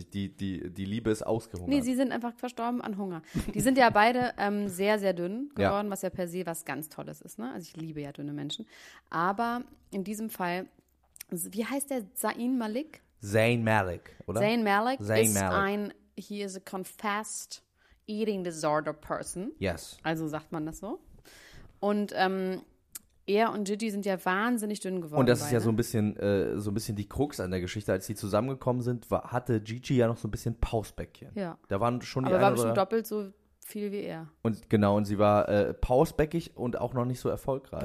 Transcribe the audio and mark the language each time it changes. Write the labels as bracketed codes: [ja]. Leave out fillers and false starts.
[de] Die Liebe ist ausgehungert. Nee, sie sind einfach verstorben an Hunger. Die sind ja beide sehr, sehr dünn geworden, was ja per se was ganz Tolles ist. Ne? Also ich liebe ja dünne Menschen. Aber in diesem Fall, wie heißt der? Zayn Malik? Zayn Malik, oder? Zayn Malik Zayn ist Malik. [en] He is a confessed eating disorder person. Yes. [de] Also sagt man das so. Und er und Gigi sind ja wahnsinnig dünn geworden. Und das ist ja so ein bisschen die Krux an der Geschichte. Als sie zusammengekommen sind, hatte Gigi ja noch so ein bisschen Pausbäckchen. Ja. Da waren schon aber war bestimmt doppelt so viel wie er. Und genau, und sie war pausbäckig und auch noch nicht so erfolgreich.